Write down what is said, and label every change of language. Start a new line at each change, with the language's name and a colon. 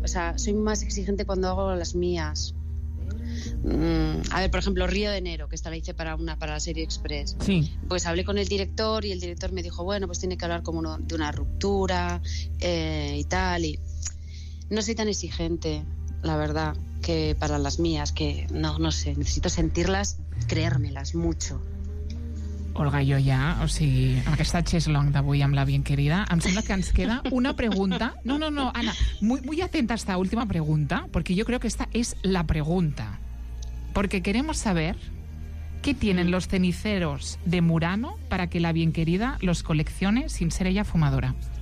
Spanish: O sea, soy más exigente cuando hago las mías. A ver, por ejemplo, Río de Enero, que esta la hice para la serie Express. Sí. Pues hablé con el director y el director me dijo, bueno, pues tiene que hablar como de una ruptura y tal. Y no soy tan exigente, la verdad, que para las mías, que no sé, necesito sentirlas, creérmelas mucho.
Catalan: Olga, jo ja, o sigui, amb aquesta cheslong d'avui amb la Bienquerida, em sembla que ens queda una pregunta.
Spanish: No, Anna, muy atenta a esta última pregunta, porque yo creo que esta es la pregunta. Porque queremos saber qué tienen los ceniceros de Murano para que la Bienquerida los coleccione sin ser ella fumadora.